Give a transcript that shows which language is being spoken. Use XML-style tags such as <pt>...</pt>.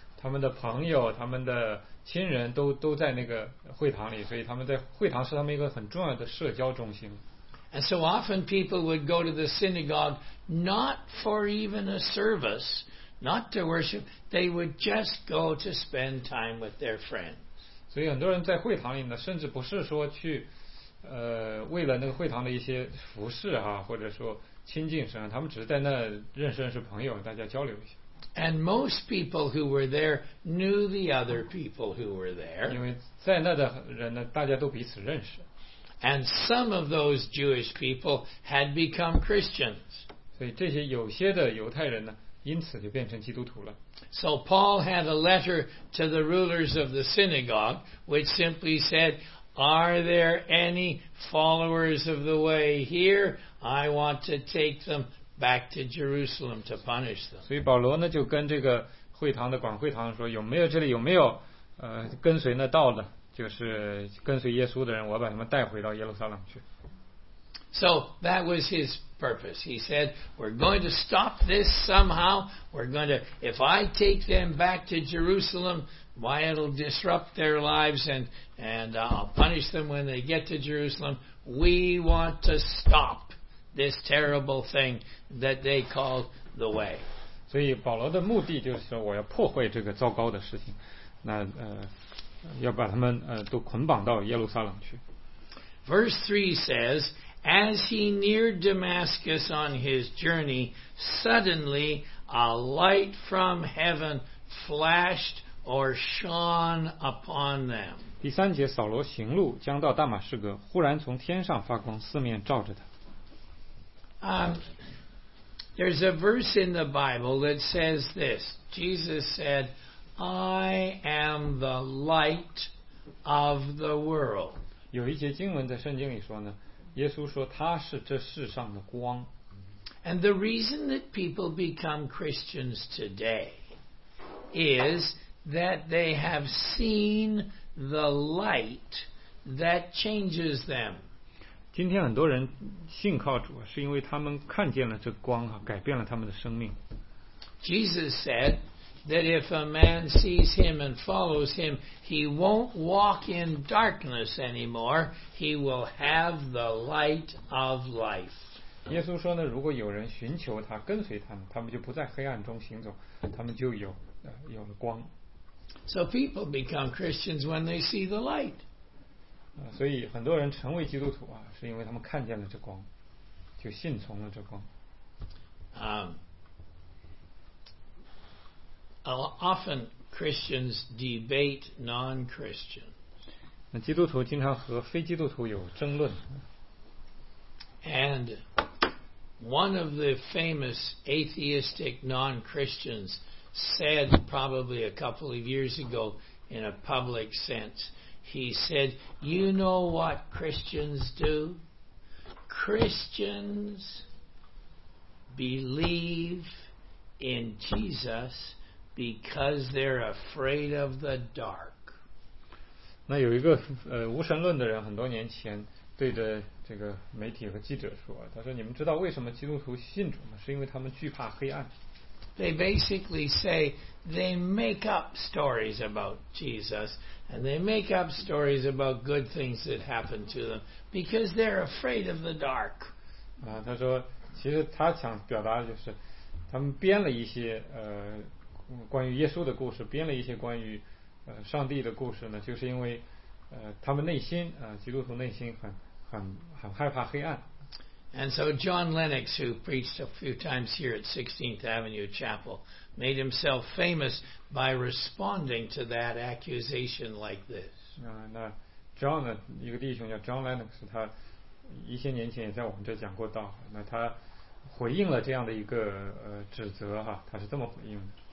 <zh>他们的朋友、他们的亲人都在那个会堂里，所以他们在会堂是他们一个很重要的社交中心。</zh> <en>And so often people would go to the synagogue not for even a service, not to worship, they would just go to spend time with their friends.</en> <zh>所以很多人在会堂里呢，甚至不是说去为了那个会堂的一些服饰啊，或者说亲近神，他们只是在那认识朋友，大家交流一下。</zh> <en>And most people who were there knew the other people who were there.</en> <zh>因为在那的人呢，大家都彼此认识。</zh> <en>And some of those Jewish people had become Christians.</en> <zh>所以这些有些的犹太人呢，因此就变成基督徒了。</zh> <en>So Paul had a letter to the rulers of the synagogue, which simply said, "Are there any followers of the way here? I want to take them back to Jerusalem to punish them."</en> <zh>所以保罗呢就跟这个会堂的管会堂说，有没有这里有没有跟随那道的？就是跟随耶稣的人，我把他们带回到耶路撒冷去。</zh> <en>So that was his purpose. He said, "We're going to stop this somehow. We're going to, if I take them back to Jerusalem, why it'll disrupt their lives and I'll punish them when they get to Jerusalem. We want to stop this terrible thing that they call the way."</en> <zh>所以保罗的目的就是说，我要破坏这个糟糕的事情。那要把他们都捆绑到耶路撒冷去。</zh> <en>Verse 3 says, as he neared Damascus on his journey, suddenly a light from heaven flashed or shone upon them.</en> <zh>第三节，扫罗行路，将到大马士革，忽然从天上发光，四面照着他。</zh> <en>There's a verse in the Bible that says this. Jesus said, I am the light of the world.</en> <zh>有一节经文在圣经里说呢，耶稣说他是这世上的光。</zh> <en>And the reason that people become Christians today is that they have seen the light that changes them.</en> <zh>今天很多人信靠主，是因为他们看见了这光啊，改变了他们的生命。</zh> <en>Jesus said that if a man sees him and follows him, he won't walk in darkness anymore. He will have the light of life.</en> <zh>耶稣说呢，如果有人寻求他，跟随他们，他们就不在黑暗中行走，他们就有了光。</zh> <en>So people become Christians when they see the light.</en> <zh>所以很多人成为基督徒啊，是因为他们看见了这光，就信从了这光。</zh> <en>Often Christians debate non-Christians.</en> <zh>那基督徒经常和非基督徒有争论。</zh> <en>And one of the famous atheistic non-Christians said probably a couple of years ago in a public sense, he said, you know what Christians do? Christians believe in Jesus because they're afraid of the dark.</en> <zh>那有一个无神论的人很多年前对着这个媒体和记者说，他说你们知道为什么基督徒信主吗？是因为他们惧怕黑暗。</zh> <en>They basically say they make up stories about Jesus and they make up stories about good things that happen to them because they're afraid of the dark.</en> <zh>他说其实他想表达的就是他们编了一些关于耶稣的故事，编了一些关于上帝的故事呢，就是因为他们内心基督徒内心很害怕黑暗。</zh> <en>And so John Lennox, who preached a few times here at 16th Avenue Chapel, made himself famous by responding to that accusation like this.</en> <zh>那 John 呢，一个弟兄叫 John Lennox， 他一些年前也在我们这讲过道，那他回应了这样的一个指责哈，他是这么回应的。</zh>